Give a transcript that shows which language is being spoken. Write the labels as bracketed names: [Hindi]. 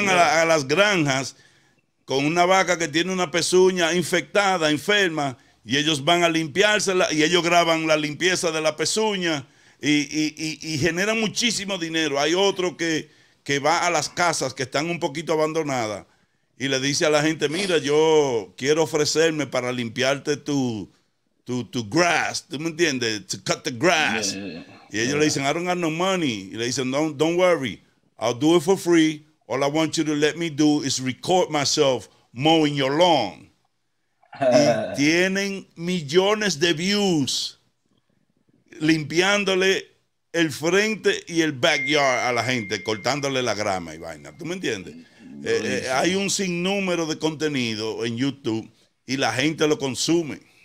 [Spanish] van a las granjas con una vaca que tiene una pezuña infectada, enferma, y ellos van a limpiársela y ellos graban la limpieza de la pezuña. Y generan muchísimo dinero. Hay otro que va a las casas que están un poquito abandonadas y le dice a la gente, mira, yo quiero ofrecerme para limpiarte tu grass, ¿tú me entiendes? [English] To cut the grass. [Spanish] Y ellos le dicen, [English] I don't have no money. [Spanish] Y le dicen, [English] don't worry, I'll do it for free. All I want you to let me do is record myself mowing your lawn. [Spanish] Y tienen millones de views limpiándole el frente y el backyard a la gente, cortándole la grama y vaina. ¿Tú me entiendes? Hay un durísimo. sinnúmero de contenido en YouTube y la gente lo consume.